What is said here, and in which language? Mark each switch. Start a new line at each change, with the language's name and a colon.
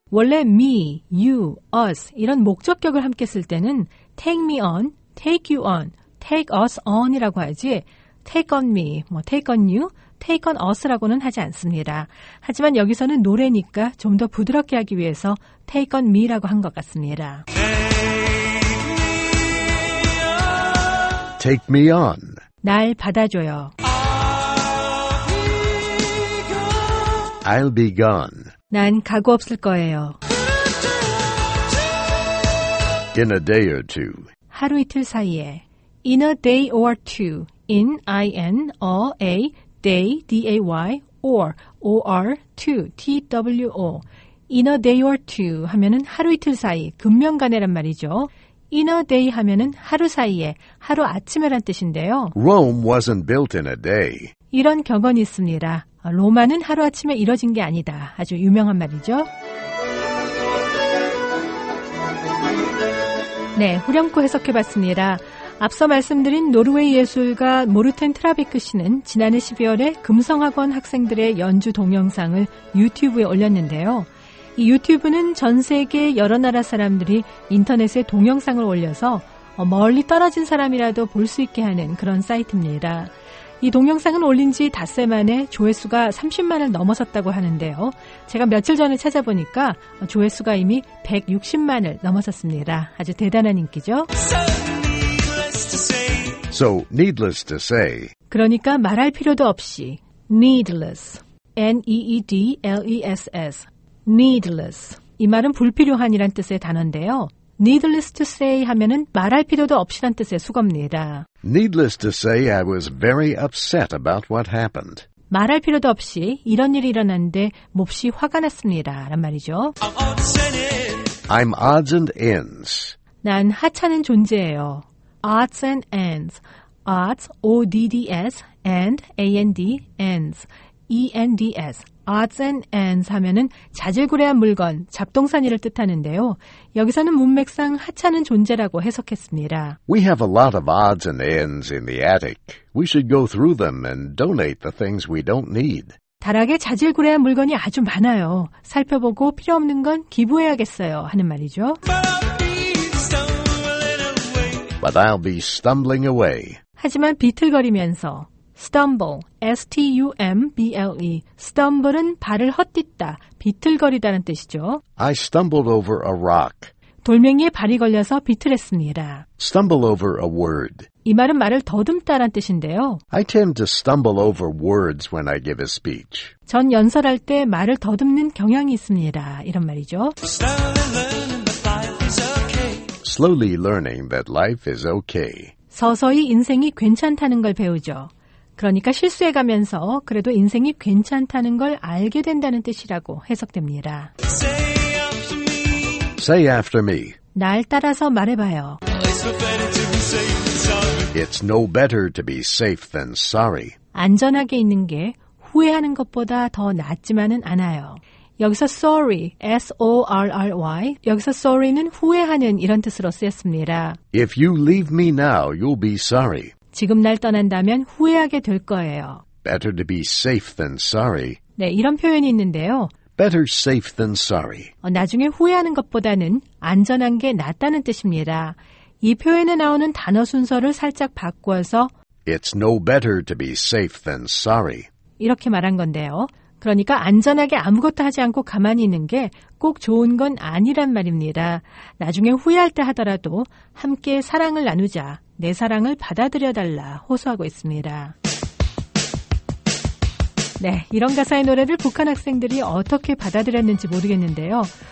Korean: 원래 me, you, us 이런 목적격을 함께 쓸 때는
English: take me on, take you on, take us on
Korean: 이라고 하지 take on me, 뭐 take on you, Take on Us라고는 하지 않습니다. 하지만 여기서는 노래니까 좀 더 부드럽게 하기 위해서 Take on Me라고 한 것 같습니다.
English: Take me on.
Korean: 날 받아줘요.
English: I'll be gone.
Korean: 난 가고 없을 거예요.
English: In a day or two.
Korean: 하루 이틀 사이에.
English: In a day or two. In, I-N, a, a, day, D-A-Y, or, O-R, two, T-W-O.
Korean: In a day or two 하면은 하루 이틀 사이, 금명간에란 말이죠. In a day 하면은 하루 사이에, 하루 아침에란 뜻인데요.
English: Rome wasn't built in a day.
Korean: 이런 격언이 있습니다. 로마는 하루아침에 이뤄진 게 아니다. 아주 유명한 말이죠. 네, 후렴구 해석해봤습니다. 앞서 말씀드린 노르웨이 예술가 모르텐 트라비크 씨는 지난해 12월에 금성학원 학생들의 연주 동영상을 유튜브에 올렸는데요. 이 유튜브는 전 세계 여러 나라 사람들이 인터넷에 동영상을 올려서 멀리 떨어진 사람이라도 볼 수 있게 하는 그런 사이트입니다. 이 동영상은 올린 지 닷새 만에 조회수가 30만을 넘어섰다고 하는데요. 제가 며칠 전에 찾아보니까 조회수가 이미 160만을 넘어섰습니다. 아주 대단한 인기죠.
English: So, needless to say.
Korean: 그러니까 말할 필요도 없이.
English: Needless. N-E-E-D-L-E-S-S. Needless.
Korean: 이 말은 불필요한이란 뜻의 단어인데요. Needless to say 하면은 말할 필요도 없이란 뜻의 수거입니다.
English: Needless to say, I was very upset about what happened.
Korean: 말할 필요도 없이 이런 일이 일어났는데 몹시 화가 났습니다. 란 말이죠.
English: I'm odds and ends.
Korean: 난 하찮은 존재예요. Odds and ends.
English: Odds, O-D-D-S, and, A-N-D, ends. E-N-D-S.
Korean: Odds and ends 하면은 자질구레한 물건, 잡동사니를 뜻하는데요. 여기서는 문맥상 하찮은 존재라고 해석했습니다.
English: We have a lot of odds and ends in the attic. We should go through them and donate the things we don't need.
Korean: 다락에 자질구레한 물건이 아주 많아요. 살펴보고 필요없는 건 기부해야겠어요. 하는 말이죠.
English: But I'll be stumbling away.
Korean: 하지만 비틀거리면서 stumble, S-T-U-M-B-L-E. Stumble은 발을 헛딛다, 비틀거리다는 뜻이죠.
English: I stumbled over a rock.
Korean: 돌멩이에 발이 걸려서 비틀했습니다.
English: Stumble over a word.
Korean: 이 말은 말을 더듬다라는 뜻인데요.
English: I tend to stumble over words when I give a speech.
Korean: 전 연설할 때 말을 더듬는 경향이 있습니다. 이런 말이죠.
English: Slowly learning that life is okay.
Korean: 서서히 인생이 괜찮다는 걸 배우죠. 그러니까 실수해가면서 그래도 인생이 괜찮다는 걸 알게 된다는 뜻이라고 해석됩니다.
English: Say after me. Say after me.
Korean: 날 따라서 말해봐요.
English: It's no better to be safe than sorry.
Korean: 안전하게 있는 게 후회하는 것보다 더 낫지만은 않아요. 여기서 sorry, S-O-R-R-Y, 여기서 sorry는 후회하는 이런 뜻으로 쓰였습니다.
English: If you leave me now, you'll be sorry.
Korean: 지금 날 떠난다면 후회하게 될 거예요.
English: Better to be safe than sorry.
Korean: 네, 이런 표현이 있는데요.
English: Better safe than sorry.
Korean: 나중에 후회하는 것보다는 안전한 게 낫다는 뜻입니다. 이 표현에 나오는 단어 순서를 살짝 바꿔서
English: It's no better to be safe than sorry.
Korean: 이렇게 말한 건데요. 그러니까 안전하게 아무것도 하지 않고 가만히 있는 게 꼭 좋은 건 아니란 말입니다. 나중에 후회할 때 하더라도 함께 사랑을 나누자, 내 사랑을 받아들여달라 호소하고 있습니다. 네, 이런 가사의 노래를 북한 학생들이 어떻게 받아들였는지 모르겠는데요.